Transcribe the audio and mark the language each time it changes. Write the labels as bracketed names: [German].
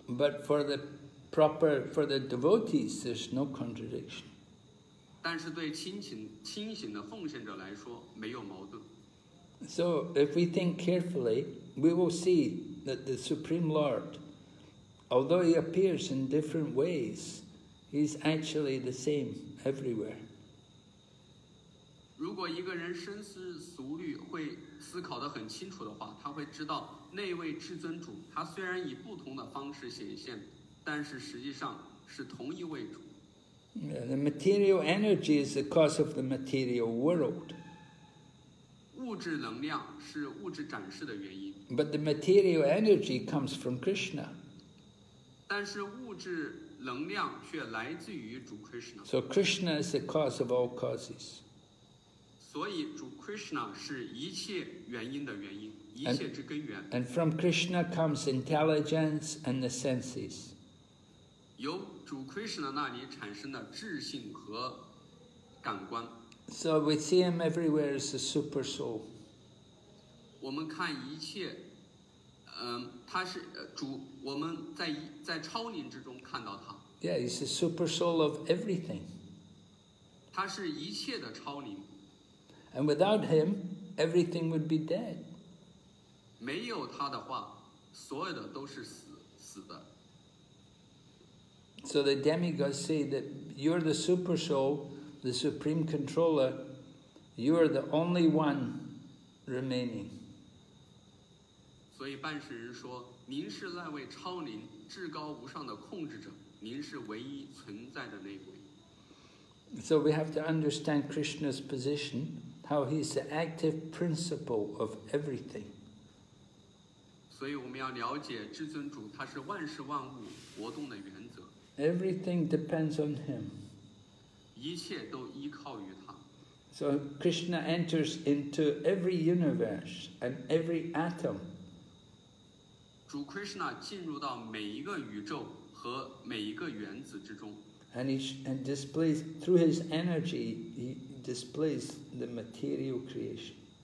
[English] But for the devotees, there's no contradiction. [Chinese] 但是对清醒的奉献者来说，没有矛盾。 [English] So if we think carefully, we will see that the Supreme Lord, although he appears in different ways,He's actually the same everywhere. [Chinese] 如果一个人深思熟虑，会思考得很清楚的话，他会知道那位至尊主，他虽然以不同的方式显现，但是实际上是同一位主。 [English] The material energy is the cause of the material world. [Chinese] 物质能量是物质展示的原因。 [English] But the material energy comes from Krishna. [Chinese] 但是物质能量却来自于主 Krishna. [English] So Krishna is the cause of all causes. [Chinese] 所以主 Krishna 是一切原因的原因，一切之根源。 [English] And from Krishna comes intelligence and the senses. [Chinese] 由主 Krishna 那里产生的智性和感官。 [English] So we see him everywhere as a super soul. [Chinese] 我们看一切。他是主，我们在超灵之中看到他。 [English] Yeah, he's the super soul of everything. [Chinese] 他是一切的超灵。 [English] And without him, everything would be dead. [Chinese] 没有他的话，所有的都是死的。 [English] So the demigods say that you're the super soul, the supreme controller, you are the only one remaining. [Chinese] 所以半世人说，您是那位超灵、至高无上的控制者，您是唯一存在的那位。 [English] So we have to understand Krishna's position, how he's the active principle of everything. [Chinese] 所以我们要了解至尊主，他是万事万物活动的原则。 [English] Everything depends on him. [Chinese] 一切都依靠于他。 [English] So Krishna enters into every universe and every atom. [Chinese] 主 Krishna 进入到每一个宇宙和每一个原子之中。 [English] And displays, through his energy, he displays the material creation.